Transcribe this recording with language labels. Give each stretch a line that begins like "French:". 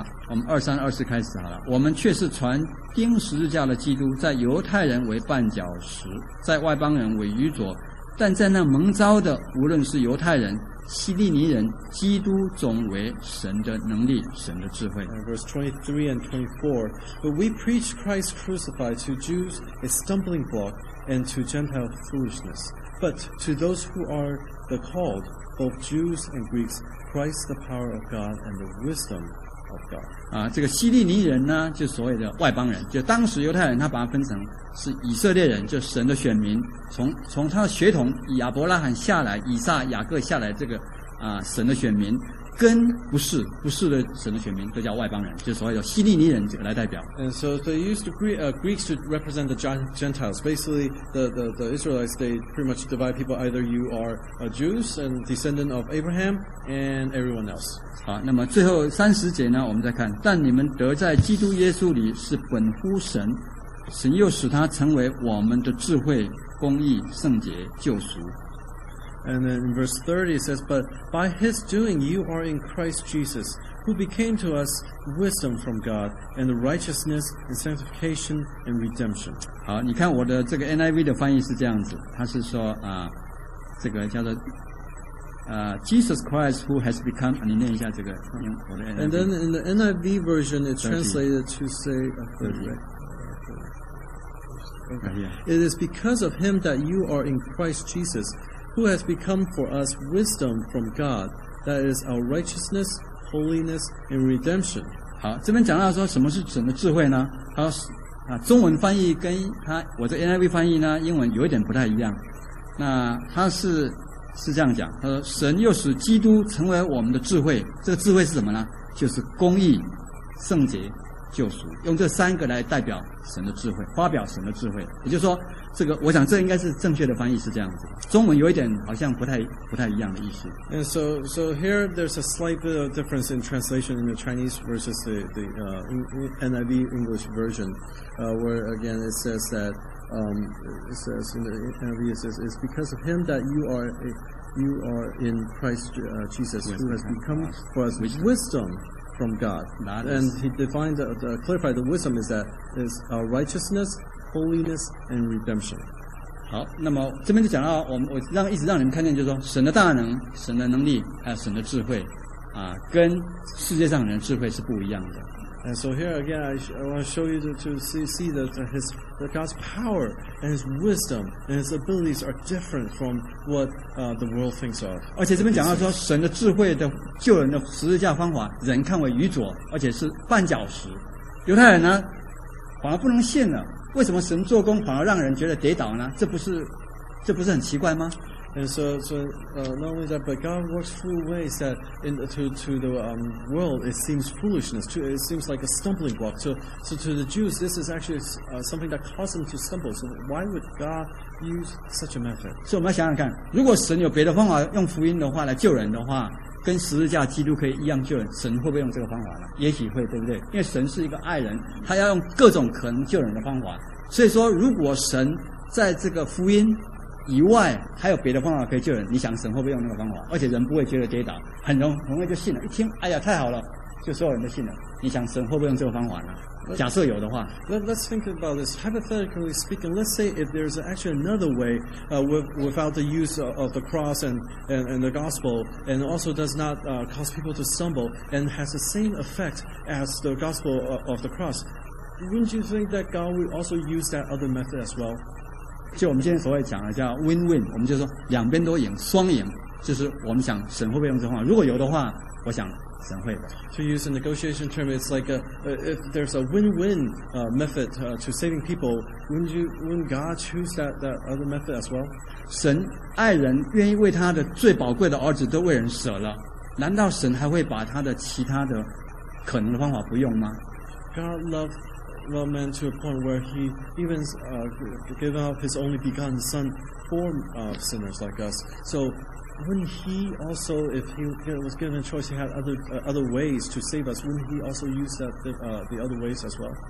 Chinese: 我们二三二四开始好了。我们却是传钉十字架的基督，在犹太人为绊脚石，在外邦人为愚拙，但在那蒙召的，无论是犹太人、希利尼人，基督总为神的能力、神的智慧。
English: Verse 23 and 24. But we preach Christ crucified, to Jews a stumbling block, and to Gentiles foolishness. But to those who are the called, both Jews and Greeks, Christ the power of God and the wisdom of God.
Chinese: 啊，这个希利尼人呢，就所谓的外邦人，就当时犹太人，他把它分成是以色列人，就神的选民，从他的血统以亚伯拉罕下来，以撒、雅各下来，这个啊神的选民，跟不是的神的选民，都叫外邦人，就所谓叫希利尼人来代表。
English: And so they used to Greeks to represent the Gentiles. Basically, the Israelites they pretty much divide people. Either you are a Jews and descendant of Abraham and everyone else.
Chinese: 好，那么最后三十节呢，我们再看，但你们得在基督耶稣里是本乎神。神又使他成为我们的智慧、公义、圣洁、救赎。
English: And then in verse 30 it says, But by his doing you are in Christ Jesus, who became to us wisdom from God, and righteousness, and sanctification, and redemption.
Chinese: 好，你看我的这个 NIV 的翻译是这样子，他是说啊，这个叫做
English: Jesus Christ who has become,
Chinese: 你念一下这个，我的 NIV。
English: And then in the NIV version it translated to say a third way. Okay. It is because of him that you are in Christ Jesus, who has become for us wisdom from God, that is our righteousness, holiness, and redemption.
Chinese: 好，这边讲到说什么是神的智慧呢？他说啊，中文翻译跟他我的 NIV 翻译呢，英文有一点不太一样。那他是这样讲，他说神又使基督成为我们的智慧。这个智慧是什么呢？就是公义、圣洁。救赎，用这三个来代表神的智慧，发表神的智慧。也就是说，这个我想这应该是正确的翻译是这样子。中文有一点好像不太一样的意思。
English: And so here there's a slight bit of difference in translation in the Chinese versus the NIV English version, where again it says that it says in the NIV it says it's because of him that you are in Christ Jesus who has become for us wisdom. From God, and He defined, clarified the wisdom is that is our righteousness, holiness, and redemption.
Chinese: 好，那么这边就讲到我让一直让你们看见，就是说神的大能、神的能力还有神的智慧，啊，跟世界上人的智慧是不一样的。
English: And so here again, I want to show you to see that God's power and His wisdom and His abilities are different from what the world thinks of.
Chinese: 而且这边讲到说，神的智慧的救人的十字架方法，人看为愚拙，而且是绊脚石。犹太人呢，反而不能信了。为什么神做工反而让人觉得跌倒呢？这不是很奇怪吗？
English: And so not only that, but God works through ways that to the world it seems foolishness. It seems like a stumbling block. So to the Jews, this is actually something that caused them to stumble. So why would God use such a method?
Chinese: 所以我们要想想看，如果神有别的方法用福音的话来救人的话，跟十字架基督可以一样救人，神会不会用这个方法呢？也许会，对不对？因为神是一个爱人，他要用各种可能救人的方法。所以说，如果神在这个福音以外还有别的方法可以救人，你想神会不会用那个方法？而且人不会觉得跌倒，很容易就信了，一听哎呀太好了，就所有人都信了。你想神会不会用这个方法呢？假设有的话，
English: Let's think about this hypothetically speaking. Let's say if there's actually another way without the use of the cross and the gospel, and also does not cause people to stumble and has the same effect as the gospel of the cross, wouldn't you think that God would also use that other method as well?
Chinese: 就我们今天所谓讲的叫 win-win， 我们就说两边都赢，双赢，就是我们想神会不会用这话，如果有的话，我想神会的。
English: To use a negotiation term, it's like if there's a win-win method to saving people, wouldn't God choose that other method as well?
Chinese: 神爱人，愿意为他的最宝贵的儿子都为人舍了，难道神还会把他的其他的可能的方法不用吗？
English: God loves well, man to a point where he even gave up his only begotten son for sinners like us. So wouldn't he also, if he was given a choice, he had other ways to save us, wouldn't he also use that the other ways as well?